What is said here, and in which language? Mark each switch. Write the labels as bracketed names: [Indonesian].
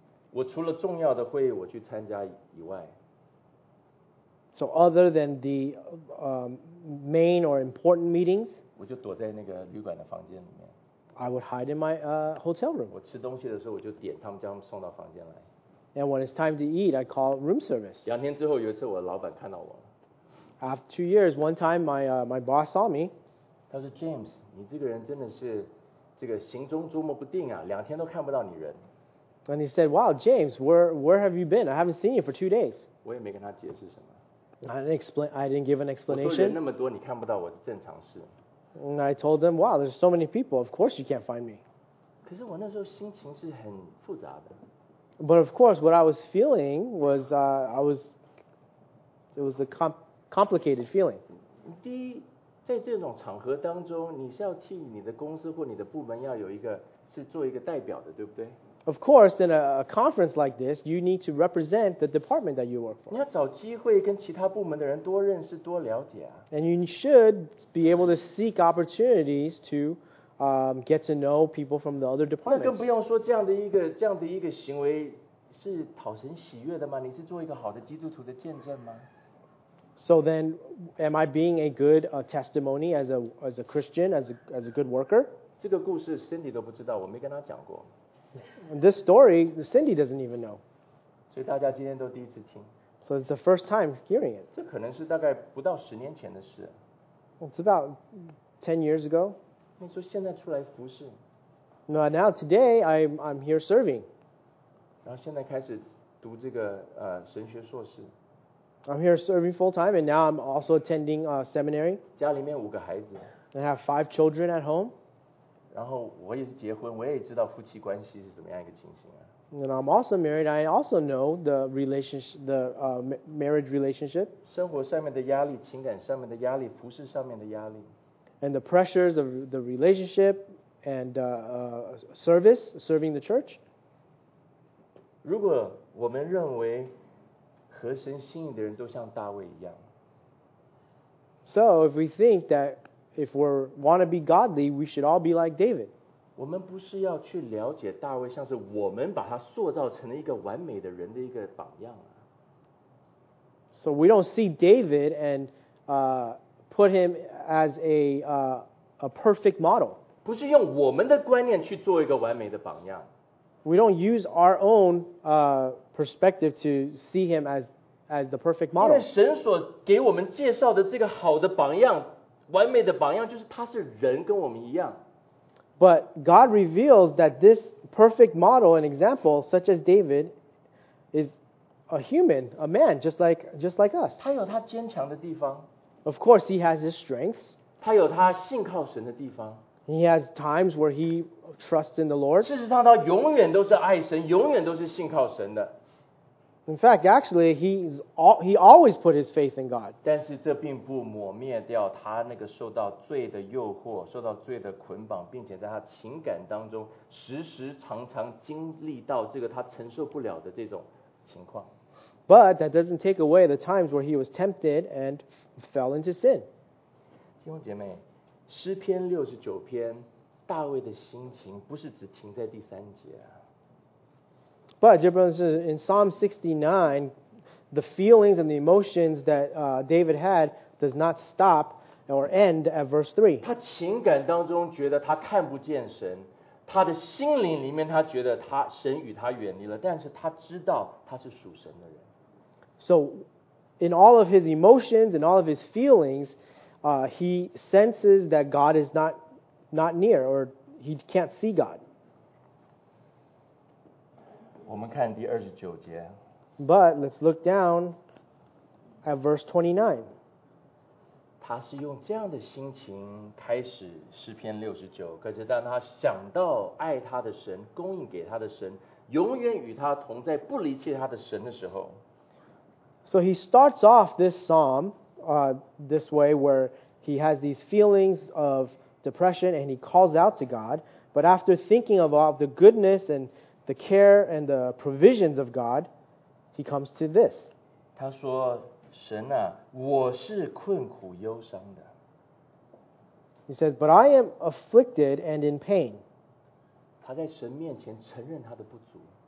[Chinese] 我除了重要的会议我去参加以外。 [English] So other than the main or important meetings, [Chinese] 我就躲在那个旅馆的房间里面。 [English] I would hide in my hotel room. [Chinese] 我吃东西的时候我就点他们将送到房间来。 [English] And when it's time to eat, I call room service. [Chinese] 两天之后有一次我的老板看到我。 [English] After 2 years, one time my boss saw me. [Chinese] 他说 James, 你这个人真的是这个行踪捉摸不定啊，两天都看不到你人。 [English] And he said, wow, James, where have you been? I haven't seen you for 2 days. [Chinese] 我也没跟他解释什么。 [English] I didn't give an explanation. [Chinese] 我说人那么多你看不到我是正常事。 [English] And I told him, wow, there's so many people, of course you can't find me. [Chinese] 可是我那时候心情是很复杂的。 [English] But of course, what I was feeling was, it was a complicated feeling. [Chinese] 第一，在这种场合当中，你是要替你的公司或你的部门要有一个是做一个代表的，对不对？ [English] Of course, in a conference like this, you need to represent the department that you work for. [Chinese] 你要找机会跟其他部门的人多认识、多了解啊。 [English] And you should be able to seek opportunities to, get to know people from the other departments. [Chinese] 那更不用说这样的一个行为是讨神喜悦的吗？你是做一个好的基督徒的见证吗？ [English] So then, am I being a good testimony as a Christian, as a good worker? [Chinese] 这个故事 Cindy 都不知道，我没跟他讲过。 [English] And this story, Cindy doesn't even know. [Chinese] So, 大家今天都第一次听。 [English] So it's the first time hearing it. [Chinese] 这可能是大概不到十年前的事。 [English] It's about 10 years ago. [Chinese] 你说现在出来服事。 [English] No, now today I'm here serving. [Chinese] 然后现在开始读这个神学硕士。 [English] I'm here serving full time and now I'm also attending a seminary. [Chinese] 家里面五个孩子。 [English] I have 5 children at home. [Chinese] 然后我也是结婚，我也知道夫妻关系是怎么样一个情形啊。 [English] And I'm also married. I also know the relationship, the marriage relationship. [Chinese] 生活上面的压力，情感上面的压力，服事上面的压力。 [English] And the pressures of the relationship and service, serving the church. [Chinese] 如果我们认为合神心意的人都像大卫一样。 [English] So if we think that. If we want to be godly, we should all be like David. [Chinese] 我们不是要去了解大卫，像是我们把他塑造成了一个完美的人的一个榜样啊。 [English] So we don't see David and put him as a perfect model. [Chinese] 不是用我们的观念去做一个完美的榜样。 [English] We don't use our own perspective to see him as the perfect model. [Chinese] 因为神所给我们介绍的这个好的榜样。完美的榜样就是他是人跟我们一样。 [English] But God reveals that this perfect model and example, such as David, is a human, a man, just like us. [Chinese] 他有他坚强的地方。 [English] Of course, he has his strengths. [Chinese] 他有他信靠神的地方。 [English] He has times where he trusts in the Lord. [Chinese] 事实上，他永远都是爱神，永远都是信靠神的。 [English] In fact, actually, he always put his faith in God. [Chinese] 但是这并不抹灭掉他那个受到罪的诱惑，受到罪的捆绑，并且在他情感当中时时常常经历到这个他承受不了的这种情况。 [English] But that doesn't take away the times where he was tempted and fell into sin. [Chinese] 弟兄姐妹，诗篇六十九篇，大卫的心情不是只停在第三节啊。 [English] But, dear brothers and sisters, in Psalm 69, the feelings and the emotions that David had does not stop or end at verse 3. [Chinese] 他情感当中觉得他看不见神，他的心灵里面他觉得他神与他远离了，但是他知道他是属神的人。 [English] So, in all of his emotions and all of his feelings, he senses that God is not near or he can't see God. [Chinese] 我们看第二十九节。 [English] But let's look down at verse 29. [Chinese] 他是用这样的心情开始诗篇六十九，可是当他想到爱他的神、供应给他的神、永远与他同在、不离弃他的神的时候 [English] ，So he starts off this psalm this way, where he has these feelings of depression and he calls out to God. But after thinking about the goodness andthe care and the provisions of God, he comes to this. [Chinese] 他说，神啊，我是困苦忧伤的。 [English] He says, but I am afflicted and in pain. [Chinese] 他在神面前承认他的不足。